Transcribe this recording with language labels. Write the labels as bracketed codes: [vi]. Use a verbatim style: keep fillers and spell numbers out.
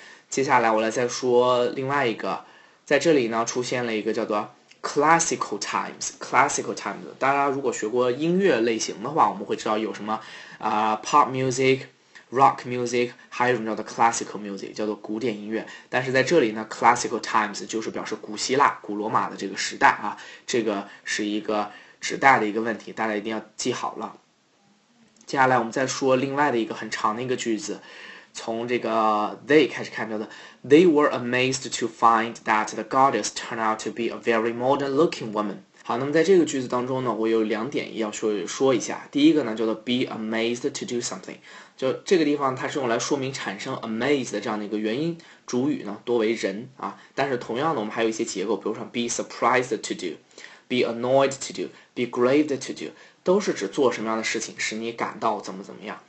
[zh] 接下来我来再说另外一个，在这里呢出现了一个叫做Classical times， classical times， 大家如果学过音乐类型的话，我们会知道有什么啊、呃、pop music、rock music， 还有一种叫做 classical music， 叫做古典音乐。但是在这里呢 ，classical times 就是表示古希腊、古罗马的这个时代啊，这个是一个指代的一个问题，大家一定要记好了。接下来我们再说另外的一个很长的一个句子。从这个 [en] they [zh] 开始看到的 [en] They were amazed to find that the goddess turned out to be a very modern looking woman。 [zh] 好，那么在这个句子当中呢，我有两点要说说一下。第一个呢叫做 [en] be amazed to do something， [zh] 就这个地方它是用来说明产生 amazed 的这样的一个原因，主语呢多为人啊，但是同样的我们还有一些结构，比如说 [en] be surprised to do， be annoyed to do， be grieved to do， [zh] 都是指做什么样的事情使你感到怎么怎么样。